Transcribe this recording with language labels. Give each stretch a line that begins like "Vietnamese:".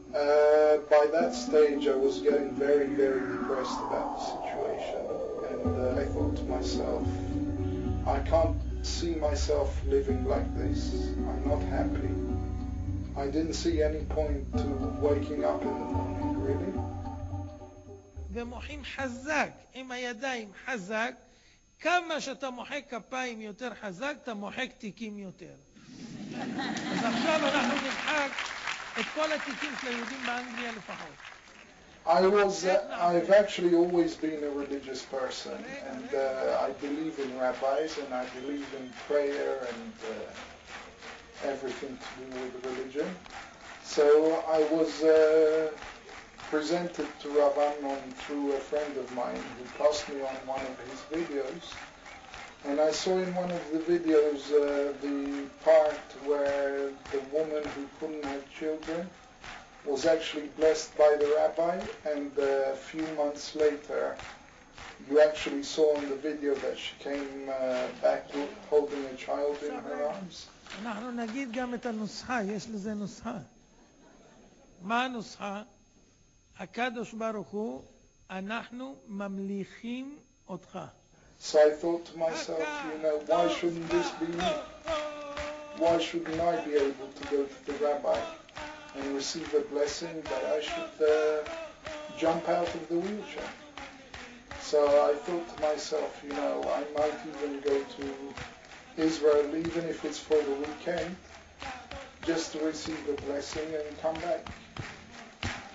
English: By that stage I was getting very, very depressed about the situation, and I thought to myself, I can't see myself living like this. I'm not happy. I didn't see any point to waking up in the morning, really.
Hebrew: ומוחים חזק, עם הידיים חזק, כמה שאתה מוחק כפיים יותר חזק, אתה מוחק תיקים יותר. אז עכשיו אנחנו נמחק את כל התיקים של היהודים באנגליה לפחות.
English: I've actually always been a religious person, and I believe in rabbis, and I believe in prayer, and everything to do with religion. So I was presented to Rav Amnon through a friend of mine who passed me on one of his videos, and I saw in one of the videos the part where the woman who couldn't have children was actually blessed by the rabbi, and a few months later you actually saw in the video that she came back holding a child in her arms.
Hebrew: אנחנו נגיד גם את הנוסחה, יש לזה נוסחה. מה הנוסחה? הקדוש ברוך הוא, אנחנו ממליכים אותך.
English: So I thought to myself, you know, why shouldn't this be me? Why shouldn't I be able to go to the rabbi and receive a blessing that I should jump out of the wheelchair? So I thought to myself, you know, I might even go to Israel, even if it's for the weekend, just to receive a blessing and come back.